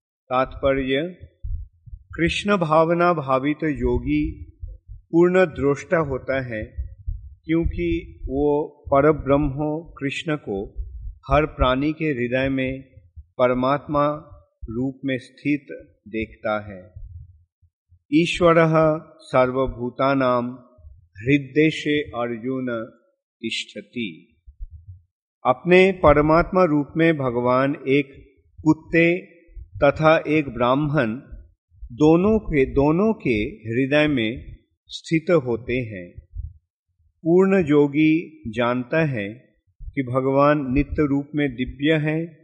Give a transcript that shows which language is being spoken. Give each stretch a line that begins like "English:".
Hindi: तात्पर्य, कृष्ण भावना भावित योगी पूर्ण दृष्टा होता है, क्योंकि वो परब्रह्म कृष्ण को हर प्राणी के हृदय में परमात्मा रूप में स्थित देखता है।
Sanskrit: ईश्वरः सर्वभूतानां हृदयेषु अर्जुन तिष्ठति।
Hindi: अपने परमात्मा रूप में भगवान एक कुत्ते तथा एक ब्राह्मण दोनों के हृदय में स्थित होते हैं। पूर्ण योगी जानता है कि भगवान नित्य रूप में दिव्य हैं,